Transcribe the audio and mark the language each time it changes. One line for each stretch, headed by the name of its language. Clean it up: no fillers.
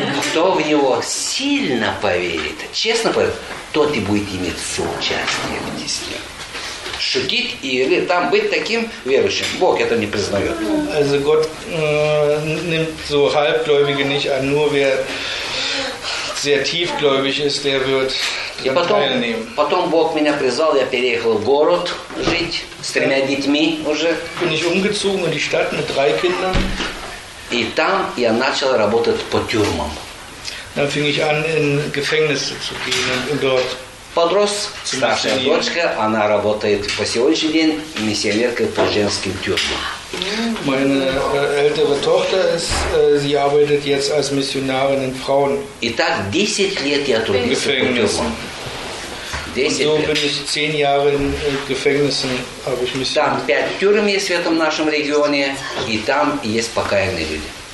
Russian: Кто в него сильно поверит, честно поверит, тот и будет иметь соучастие в Тесне. Шутить или там быть таким верующим. Бог это не признает.
German: Also Gott nimmt so Halbgläubige nicht an, nur wer sehr tiefgläubig ist, der wird daran teilnehmen.
Russian: Потом Бог меня призвал, я переехал в город жить с тремя детьми уже.
German: Bin ich umgezogen in die Stadt mit 3 Kindern.
Russian: И там я начал работать по тюрьмам.
German: Dann fing ich an, in Gefängnisse zu gehen und dort.
Russian: Подрос, старшая дочка, она работает по сегодняшний день миссионеркой по женским тюрьмам.
German: Meine ältere Tochter ist, sie arbeitet jetzt als Missionarin in Frauen.
Russian: Итак, 10 лет я трудился по тюрьмам.
German: Und so bin ich 10 Jahre in Gefängnissen, habe ich mich.
Russian: Там 5 тюрем есть в этом нашем регионе, и там есть покаянные люди.